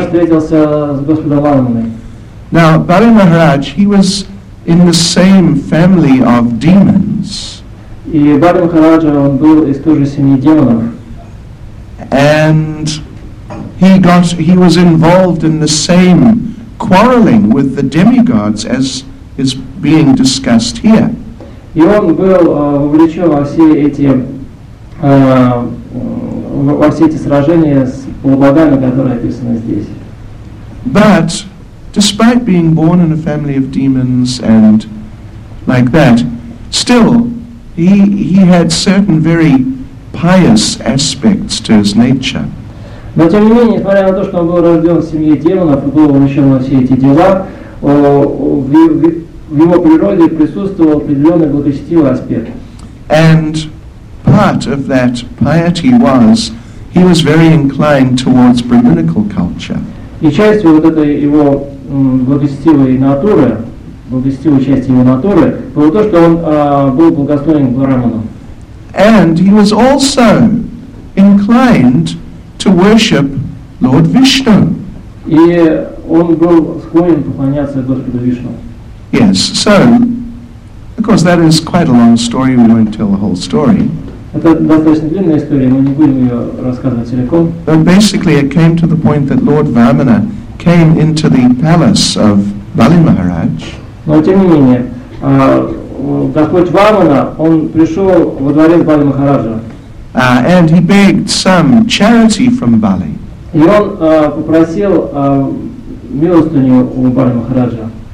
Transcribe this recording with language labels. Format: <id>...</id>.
<en>Now, Bali Maharaj, he was in the same family of demons. And he was involved in the same quarreling with the demigods as is being discussed here.</en> <ru>И он был вовлечен во все эти сражения с полубогами, которые описаны здесь.</ru> <en>But despite being born in a family of demons and like that, still he had certain very pious aspects to his nature.</en> <ru>Но тем не менее, несмотря на то, что он был рожден в семье демонов и был вовлечен во все эти дела, в его природе присутствовал определенный благочестивый аспект.</ru> <en>And part of that piety was he was very inclined towards brahminical culture.</en> <ru>И часть вот этой его благочестивой натуры, благочестивой части его натуры, было то, что он был благосклонен к брахманам.</ru> <en>And he was also inclined to worship Lord Vishnu.</en> <ru>И он был склонен поклоняться Господу Вишну.</ru> <en>Yes, so, of course, that is quite a long story. We won't tell the whole story.</en> <ru>Это достаточно длинная история, мы не будем ее рассказывать целиком.</ru> <en>But basically, it came to the point that Lord Vamana came into the palace of Bali Maharaj.</en> <ru>Но тем не менее, Господь Вамана, он пришел во дворец Бали Махараджа.</ru> <en>And he begged some charity from Bali.</en> <ru>И он попросил милостыню у Бали Махараджа.</ru>